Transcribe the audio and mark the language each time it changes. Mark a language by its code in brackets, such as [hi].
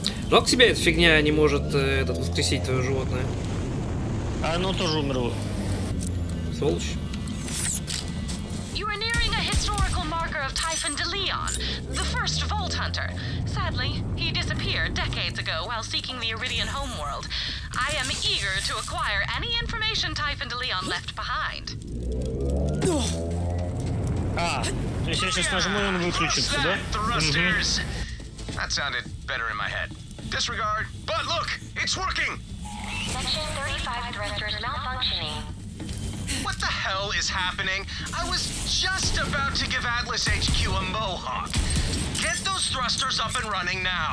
[ru] Но к тебе эта фигня не может этот воскресить твое животное. А оно тоже умерло. Сволочь. [en] You are nearing a historical marker of Typhon de Leon, the first Vault Hunter. Sadly, he disappeared decades ago while seeking the Iridian homeworld. I am eager to acquire any information Typhon de Leon left behind. [ru] А, то есть я сейчас нажму, он выключится, да? [en] Thrusters. Mm-hmm. That sounded better in my head. Disregard. But look, it's working. Section 35 thrusters malfunctioning. What the hell is happening? I was just about to give Atlas HQ a mohawk. Get those thrusters up and running now.